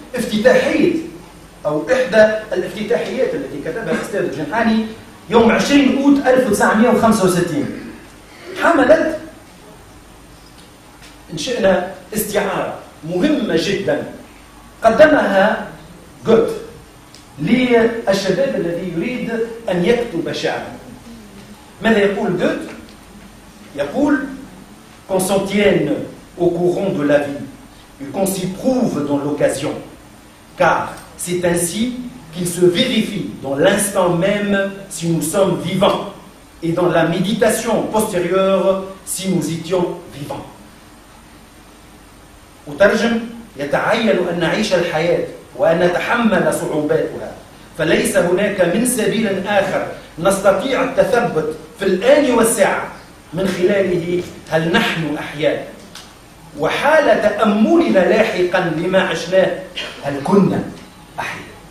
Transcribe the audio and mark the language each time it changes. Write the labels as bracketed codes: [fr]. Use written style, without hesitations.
[ar] افتتاحية أو إحدى الافتتاحيات التي كتبها الأستاذ الجرحاني يوم 20 أوت 1965، حملت إنشأنا استعارة مهمة جدا قدمها جوت للشباب الذي يريد أن يكتب شعرا. ماذا يقول جوت؟ يقول [fr] qu'on s'en tienne au courant de la vie et qu'on s'y prouve dans l'occasion car c'est ainsi qu'il se vérifie dans l'instant même si nous sommes vivants et dans la méditation postérieure si nous étions vivants. [ar] وترجم: يتعين أن نعيش الحياة وأن نتحمل صعوباتها، فليس هناك من سبيل آخر نستطيع التثبت في الآن والساعة من خلاله هل نحن أحياء، وحال تأملنا لاحقا لما عشناه هل كنا أحياء.